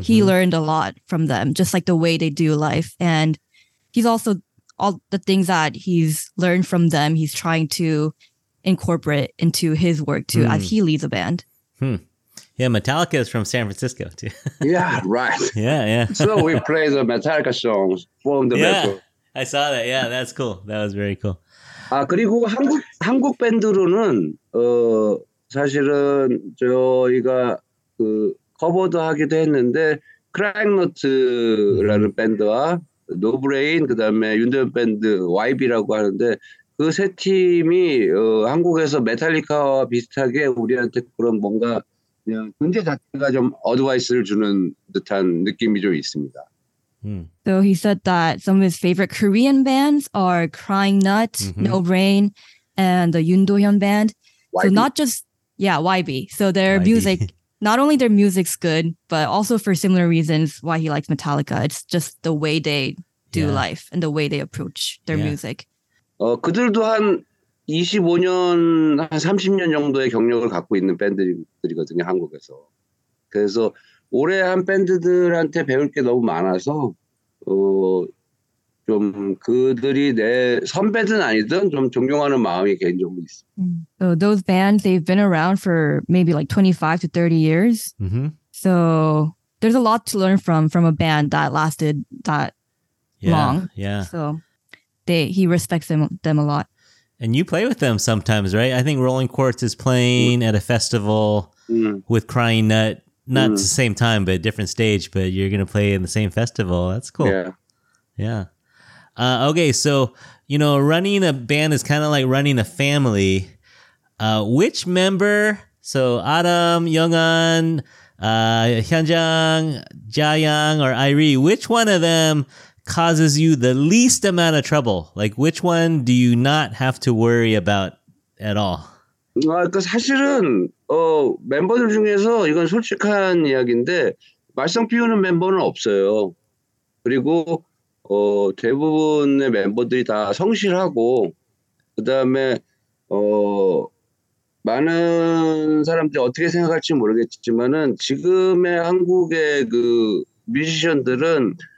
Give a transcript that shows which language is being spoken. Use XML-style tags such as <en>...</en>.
<en>He learned a lot from them, just like the way they do life. And he's also all the things that he's learned from them, he's trying to incorporate into his work too as he leads a band. Yeah, Metallica is from San Francisco too. Yeah, right. Yeah. So we play the Metallica songs from the record. I saw that. Yeah, that's cool. That was very cool.</en> <ko>아 그리고 한국 밴드로는 사실은 저희가 그 커버도 하기도 했는데 크랙노트라는 밴드와 노브레인 그다음에 윤대현 밴드 YB라고 하는데 그 세 팀이 한국에서 메탈리카와 비슷하게 우리한테 그런 뭔가 그냥 존재 자체가 좀 어드바이스를 주는 듯한 느낌이 좀 있습니다.</ko> <en>So he said that some of his favorite Korean bands are Crying Nut, No Brain, and the Yoon Do-hyun band. YB. So not just, YB. So their YB. Music, not only their music's good, but also for similar reasons why he likes Metallica. It's just the way they do life and the way they approach their music.</en> <ko>그들도 한 25년, 한 30년 정도의 경력을 갖고 있는 밴드들이거든요, 한국에서. 그래서 올해 한 밴드들한테 배울 게 너무 많아서 좀 그들이 내 선배든 아니든 좀 존경하는 마음이 개인적으로 있어.</ko> <en>So those bands, they've been around for maybe like 25 to 30 years. Mm-hmm. So there's a lot to learn from a band that lasted that long. Yeah. So he respects them a lot. And you play with them sometimes, right? I think Rolling Quartz is playing at a festival with Crying Nut. Not the same time, but a different stage, but you're going to play in the same festival. That's cool. Yeah. Yeah. Okay, so, you know, running a band is kind of like running a family. Which member, so Adam, Young-un, Hyun-jang, Jayang, or Irie, which one of them causes you the least amount of trouble? Like, which one do you not have to worry about at all?</en> <ko>그러니까 사실은 멤버들 중에서 이건 솔직한 이야기인데 말썽 피우는 멤버는 없어요. 그리고 대부분의 멤버들이 다 성실하고 그다음에 많은 사람들이 어떻게 생각할지 모르겠지만은 지금의 한국의 그 뮤지션들은</ko>